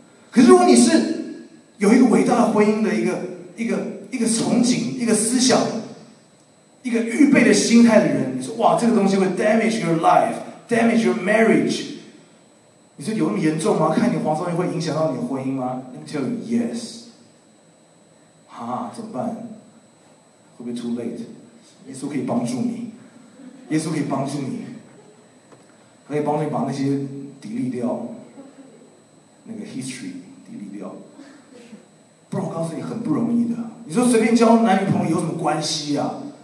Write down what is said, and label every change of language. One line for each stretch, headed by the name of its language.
Chinese: 可是如果你是有一个伟大的婚姻的一个憧憬、一个思想、一个预备的心态的人，你说哇，这个东西会
English: damage your life， damage your marriage。
Chinese: 你说有那么严重吗？看你黄少爷会影响到你的婚姻吗？
English: Let me tell you, yes.
Chinese: 啊，怎么办？会不会
English: too late？
Chinese: 耶稣可以帮助你，耶稣可以帮助你，可以帮助你把那些 delete 掉，那个 history delete 掉。不然我告诉你，很不容易的。你说随便交男女朋友有什么关系啊？